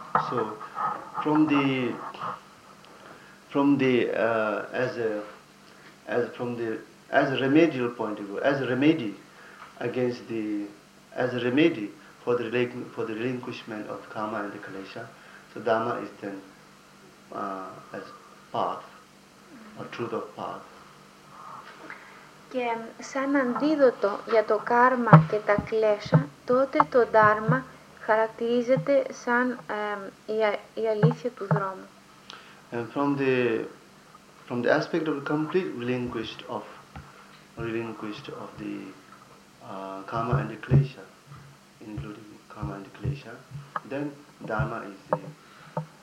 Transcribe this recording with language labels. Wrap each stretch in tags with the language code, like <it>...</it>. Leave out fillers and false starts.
<en>So, as a remedial point of view, as a remedy for the relinquishment of karma and the kalesha, so Dharma is then as path or truth of path.</en> <el>Και σαν αντίδοτο για το κάρμα και τα κλέσσα, τότε το Dharma χαρακτηρίζεται σαν η αλήθεια του δρόμου.</el> <en>And from the aspect of the complete relinquished of the karma and the klesha, including karma and the klesha, then Dharma is the</en>